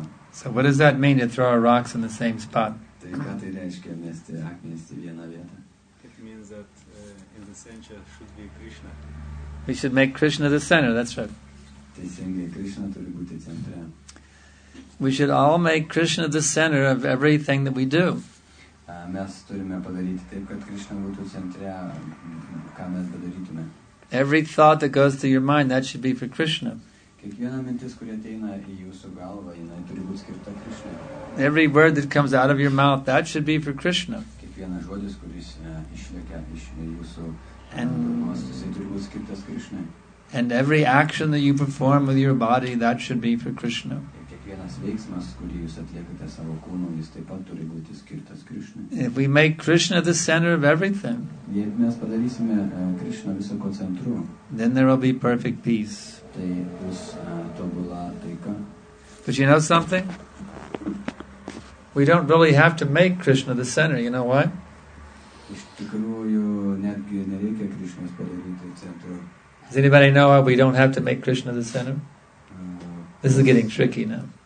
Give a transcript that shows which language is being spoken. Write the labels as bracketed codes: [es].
[en] So what does that mean to throw our rocks in the same spot? It means that in the center should be Krishna. We should make Krishna the center, that's right. [lt] Krishna turi būti centre. [en] We should all make Krishna the center of everything that we do. [lt] Mes turime padaryti taip, kad Krishna būtų centre, ką mes padarytume. [en] Every thought that goes to your mind, that should be for Krishna. [lt] Kiekviena mintis, kuri ateina į jūsų galvą, jinai turi būti skirta Krishna. [en] Every word that comes out of your mouth, that should be for Krishna. [lt] Kiekvienas žodis, kuris išlekia iš jūsų, jisai turi būti skirtas Krishna. [en] And every action that you perform with your body, that should be for Krishna. [lt] Kiekvienas veiksmas, kurį jūs atliekate savo kūnu, jis taip pat turi būti skirtas Krishna. [en] If we make Krishna the center of everything, [lt] jei mes padarysime Krishna viso ko centru, [en] then there will be perfect peace. [lt] Tai bus tobula taika. [en] But you know something? We don't really have to make Krishna the center, you know why? [lt] Iš tikrųjų, netgi nereikia Krishnas padaryti centru. [en] Does anybody know why we don't have to make Krishna the center? This is getting tricky now.